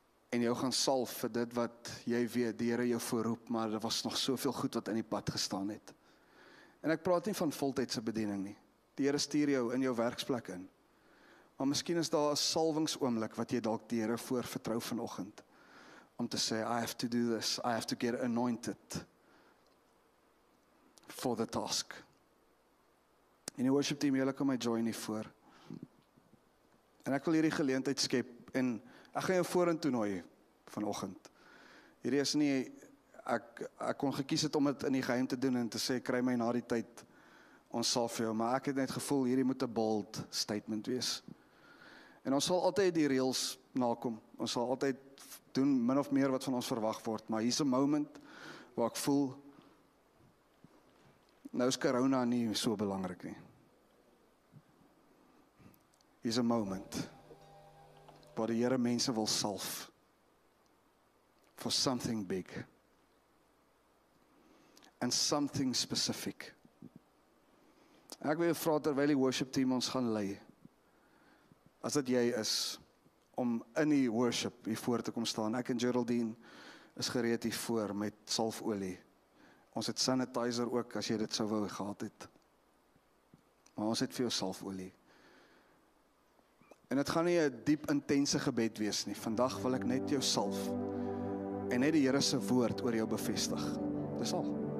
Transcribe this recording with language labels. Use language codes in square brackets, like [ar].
[af] En jou gaan salf vir dit wat jy weet, die Here jou voorroep, maar daar was nog soveel goed wat in die pad gestaan het. En ek praat nie van voltydse bediening nie. Die Here stuur jou in jou werksplek in. Maar miskien is daar 'n salwingsoomblik wat jy dalk die Here voor vertrou vanoggend. Om te sê, [en] I have to do this, I have to get anointed for the task. [af] En die worship team, julle kan my join hier voor. En ek wil hierdie geleentheid skep en ek gaan jou vorentoe toenooi vanoggend. Hierdie is nie, ek kon gekies het om dit in die geheim te doen en te sê, kry my na die tyd, ons sal vir jou. Maar ek het net gevoel, hierdie moet 'n bold statement wees. En ons sal altyd die reels nakom. Ons sal altyd doen min of meer wat van ons verwag word. Maar hier is 'n moment waar ek voel, nou is corona nie so belangrik nie. Hier is 'n moment waar die Here mense wil salf [en] for something big and something specific. [af] Ek wil vra terwyl die worship team ons gaan lei, as dit jy is om in die worship hier voor te kom staan. Ek en Geraldine is gereed hier voor met salfolie. Ons het sanitizer ook as jy dit sou wou gehad het. Maar ons het vir jou salfolie. En het gaan nie 'n diep intense gebed wees nie. Vandag wil ek net jou salf en net die Here se woord oor jou bevestig. Dis al.